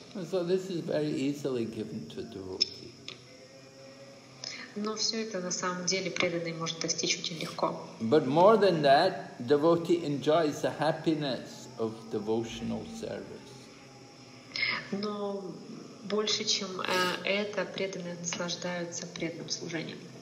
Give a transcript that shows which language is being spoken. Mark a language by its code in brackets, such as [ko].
[en] So this is very easily given to devotee. [ru] Но все это на самом деле преданный может достичь очень легко. [en] But more than that, devotee enjoys the happiness of devotional service. [ru] Но больше чем это, преданные наслаждаются преданным служением.